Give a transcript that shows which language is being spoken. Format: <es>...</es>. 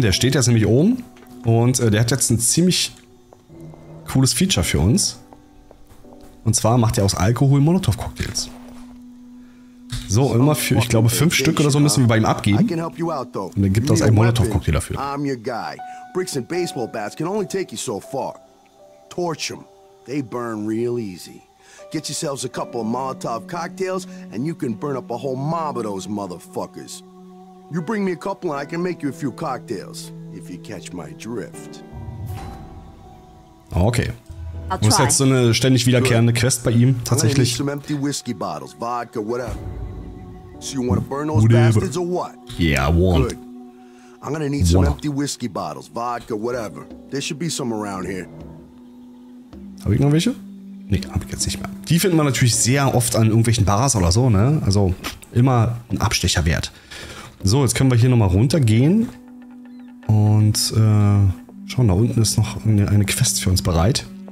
<de>Der steht jetzt nämlich oben. Und der hat jetzt ein ziemlich cooles Feature für uns. Und zwar macht er aus Alkohol Molotow-Cocktails. So, immer für, ich glaube, 5 Stück oder so müssen wir bei ihm abgeben. Und dann gibt er uns einen Molotow-Cocktail dafür.</de> <en>I'm your guy. Bricks and baseball bats can only take you so far. Torch them. They burn real easy. Get yourselves a couple of Molotov cocktails and you can burn up a whole mob of those motherfuckers. You bring me a couple and I can make you a few cocktails, if you catch my drift. Okay.</en> <de>Das ist jetzt so eine ständig wiederkehrende Quest bei ihm, tatsächlich.</de> <en>Some empty whiskey bottles, vodka, whatever. So you wanna burn those bastards or what? Yeah, I want. Good. I'm gonna need some empty whiskey bottles, vodka, whatever. There should be some around here.</en> <de>Habe ich noch welche? Nee, hab ich jetzt nicht mehr. Die findet man natürlich sehr oft an irgendwelchen Bars oder so, ne? Also immer ein Abstecher wert. So, jetzt können wir hier nochmal runtergehen. Und schauen, da unten ist noch eine Quest für uns bereit.</de>